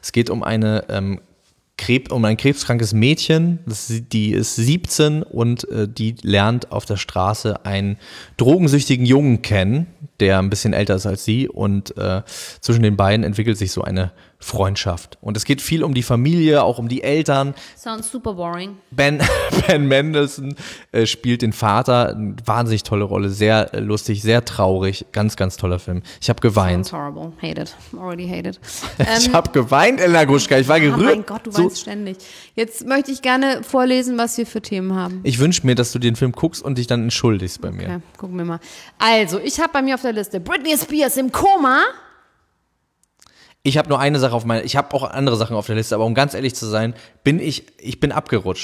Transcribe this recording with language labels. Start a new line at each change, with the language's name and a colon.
German: Es geht um eine um ein krebskrankes Mädchen, die ist 17 und die lernt auf der Straße einen drogensüchtigen Jungen kennen, der ein bisschen älter ist als sie und zwischen den beiden entwickelt sich so eine Freundschaft. Und es geht viel um die Familie, auch um die Eltern.
English: Sounds super boring.
German: Ben Mendelsohn spielt den Vater, wahnsinnig tolle Rolle, sehr lustig, sehr traurig, ganz, ganz toller Film. Ich habe geweint.
English: Sounds horrible, hate it, already hate it.
German: Ich habe geweint, Elena Groschka, ich war gerührt. Oh mein Gott, du weinst ständig. Jetzt möchte ich gerne vorlesen, was wir für Themen haben. Ich wünsche mir, dass du den Film guckst und dich dann entschuldigst bei mir. Okay, gucken wir mal. Also, ich habe bei mir auf der Liste Britney Spears im Koma. Ich habe nur eine Sache auf meiner, ich habe auch andere Sachen auf der Liste, aber um ganz ehrlich zu sein, bin ich abgerutscht.